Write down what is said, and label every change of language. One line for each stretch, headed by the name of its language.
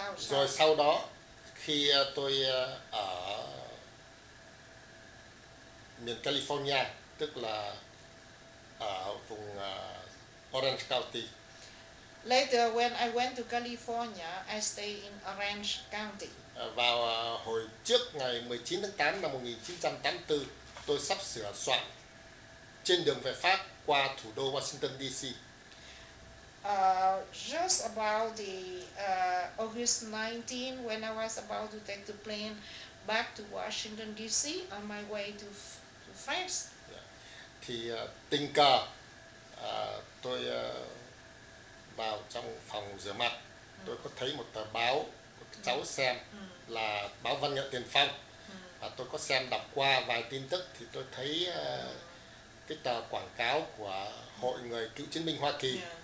Vietnamese: Rồi sau đó khi tôi ở miền California, tức là ở vùng Orange County.
English: Later when I went to California, I stayed in Orange County.
Vietnamese: Vào hồi trước ngày 19 tháng 8 năm 1984, tôi sắp sửa soạn trên đường về Pháp qua thủ đô Washington DC.
English: Just about the August 19, when I was about to take the plane back to Washington DC on my way to France. Yeah.
Vietnamese: Thì tình cờ tôi vào trong phòng rửa mặt, tôi có thấy một tờ báo của cháu xem là báo Văn Nghệ Tiền Phong. Và tôi có xem đọc qua vài tin tức thì tôi thấy cái tờ quảng cáo của Hội Người Cựu Chiến binh Hoa Kỳ.